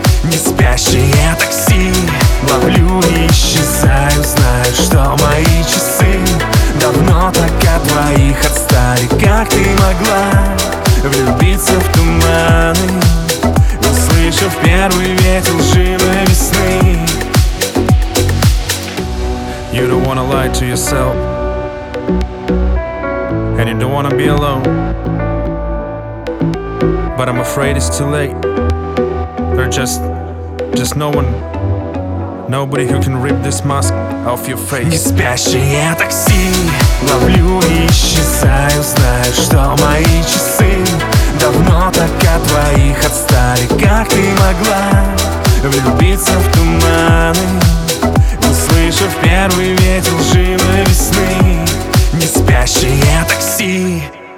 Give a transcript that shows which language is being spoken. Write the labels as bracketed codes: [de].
[ru] Не спящее такси, ловлю и исчезаю. Знаю, что мои часы давно так от твоих отстали. Как ты могла влюбиться в туманы? Услышав первый ветер лживой весны. [en] You don't wanna lie to yourself, and you don't wanna be alone. But I'm afraid it's too late. There's just no one, nobody who can rip this mask off your face. [ru] Не спящее такси, ловлю и исчезаю. Знаю, что мои часы давно так от твоих отстали. Как ты могла влюбиться в туманы? Услышав первый ветер лживой весны. Не спящее такси,